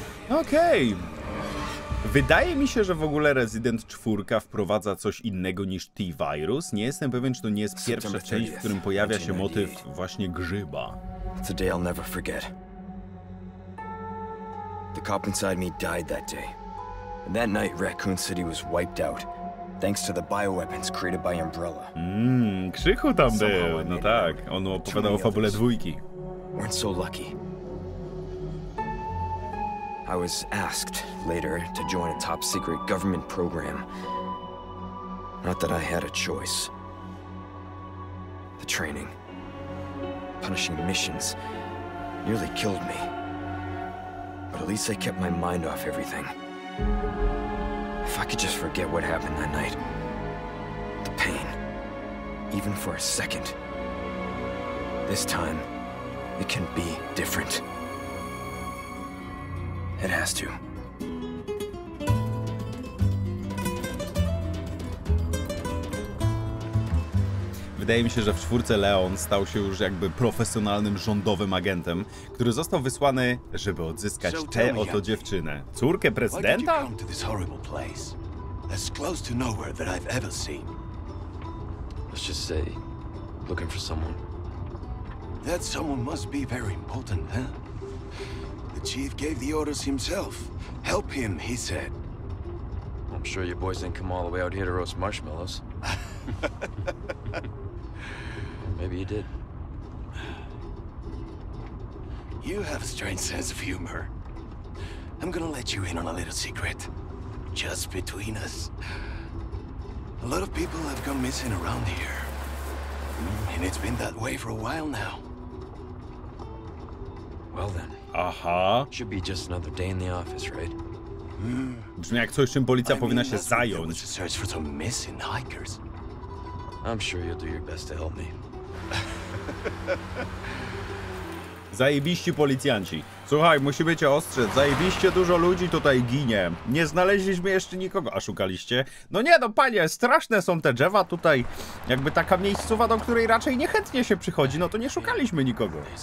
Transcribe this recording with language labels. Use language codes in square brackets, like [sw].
[pl] Okej. Wydaje mi się, że w ogóle Resident 4 wprowadza coś innego niż T-Virus. Nie jestem pewien, czy to nie jest pierwsza część, w którym pojawia się motyw właśnie grzyba. To dzień, który nigdy nie zapomnę. [en] Cop inside me died that day. And that night Raccoon City was wiped out thanks to the bioweapons created by Umbrella. [pl] Krzychu tam był. No tak, on opowiadał o fabule dwójki. [en] Weren't so lucky. I was asked later to join a top secret government program. Not that I had a choice. The training, punishing missions, nearly killed me. But at least I kept my mind off everything. If I could just forget what happened that night, the pain, even for a second, this time, it can be different. It has to. [pl] Wydaje mi się, że w czwórce Leon stał się już jakby profesjonalnym rządowym agentem, który został wysłany, żeby odzyskać tę oto dziewczynę. Córkę prezydenta? [en] Why did you come to this horrible place? As close to nowhere that I've ever seen. Let's just say, looking for someone. That someone must be very important, huh? The chief gave the orders himself. Help him, he said. I'm sure your boys didn't come all the way out here to roast marshmallows. Maybe you did. You have a strange sense of humor. I'm gonna let you in on a little secret. Just between us. A lot of people have gone missing around here. And it's been that way for a while now. Well then. Aha. Should be just another day in the office, right? [pl] Brzmi jak coś, czym policja powinna się zająć. [en] Search for some missing hikers. I'm sure you'll do your best to help me. [pl] Zajebiście policjanci. Słuchaj, musimy cię ostrzec. Zajebiście dużo ludzi tutaj ginie. Nie znaleźliśmy jeszcze nikogo. A szukaliście? No nie, no panie, straszne są te drzewa tutaj. Jakby taka miejscowa, do której raczej niechętnie się przychodzi. No to nie szukaliśmy nikogo.